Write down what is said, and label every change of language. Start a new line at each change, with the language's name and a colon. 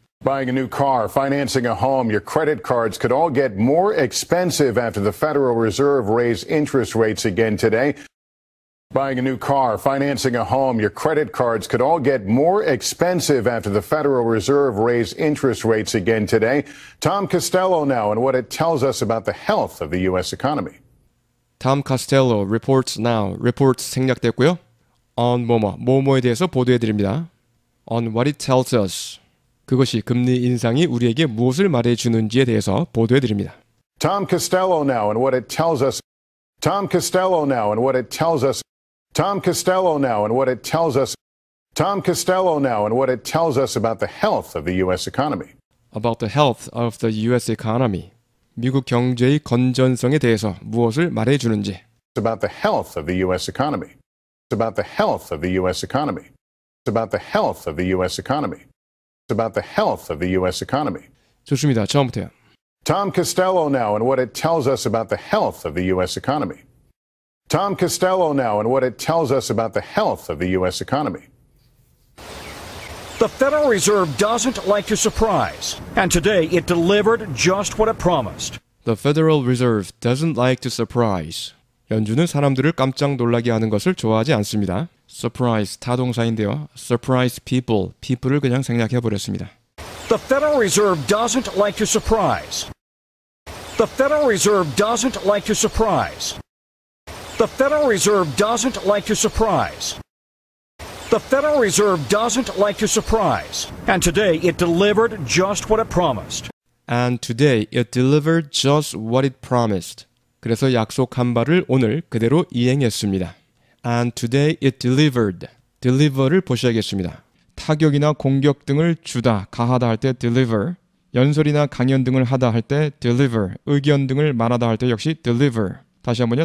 English: Buying a new car, financing a home, your credit cards could all get more expensive after the Federal Reserve raised interest rates again today. Buying a new car, financing a home, your credit cards could all get more expensive after the Federal Reserve raised interest rates again today. Tom Costello now and what it tells us about the health of the U.S. economy. Tom Costello reports now. Reports
Korean: 생략됐고요. On 뭐뭐, 뭐뭐에 대해서 보도해드립니다.
English: On what it tells us.
Korean: 그것이 금리 인상이 우리에게 무엇을 말해주는지에 대해서 보도해드립니다.
English: Tom Costello now and what it tells us. Tom Costello now and what it tells us. Tom Costello now and what it tells us. Tom Costello now and what it tells us about the health of the U.S. economy. About the health of the U.S. economy.
Korean: 미국 경제의 건전성에 대해서 무엇을 말해주는지.
English: About the health of the U.S. economy. About the health of the U.S. economy. About the health of the U.S. economy. About the health of the U.S. economy.
Korean: 좋습니다. 처음부터요.
English: Tom Costello now and what it tells us about the health of the U.S. economy. Tom Costello now and what it tells us about the health of the U.S. economy. The Federal Reserve doesn't like to surprise, and today it delivered just what it promised. The Federal Reserve doesn't like to surprise.
Korean: 연준은 사람들을 깜짝 놀라게 하는 것을 좋아하지 않습니다. Surprise, 타동사인데요.
English: Surprise people,
Korean: people을 그냥 생략해버렸습니다.
English: The Federal Reserve doesn't like to surprise. The Federal Reserve doesn't like to surprise. The Federal Reserve doesn't like to surprise. The Federal Reserve doesn't like to surprise. And today it delivered just what it promised. And today it delivered just what it promised.
Korean: 그래서 약속한 바를 오늘 그대로 이행했습니다.
English: And today it delivered. Deliver를
Korean: 보셔야겠습니다. 타격이나 공격 등을 주다, 가하다 할 때 deliver. 연설이나 강연 등을 하다 할 때 deliver. 의견 등을 말하다 할 때 역시 deliver. 다시 한번요.